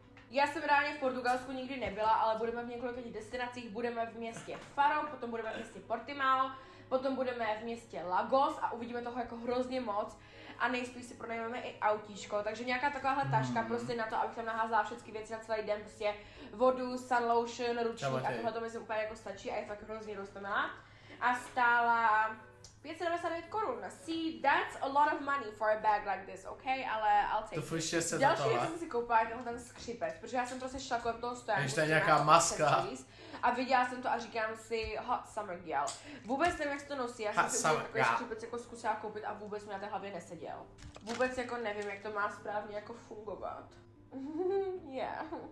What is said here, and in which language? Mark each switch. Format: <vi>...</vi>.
<cs>Já jsem reálně v Portugalsku nikdy nebyla, ale budeme v několika destinacích, budeme v městě Faro, potom budeme v městě Portimao, potom budeme v městě Lagos a uvidíme toho jako hrozně moc a nejspíš si pronajmeme i autíčko, takže nějaká takováhle taška prostě na to, abych tam naházala všechny věci na celý den, prostě vodu, sun lotion, ručník a tohle to myslím úplně jako stačí a je fakt hrozně roztomilá a stála 599 korun.</cs> <en>See, that's a lot of money for a bag like this, okay? Ale I'll take to it.</en> <cs>Se další věc jsem si koupila je tenhle ten skřipec, protože já jsem prostě šla kolem toho stojánku. Ještě nějaká maska. A viděla jsem to a říkám si,</cs> <en>hot summer girl.</en> <cs>Vůbec nevím, jak se to nosí, já jsem si udělal takový skřipec jako zkusila koupit a vůbec mi na té hlavě neseděl. Vůbec jako nevím, jak to má správně jako fungovat. Yeah.</cs>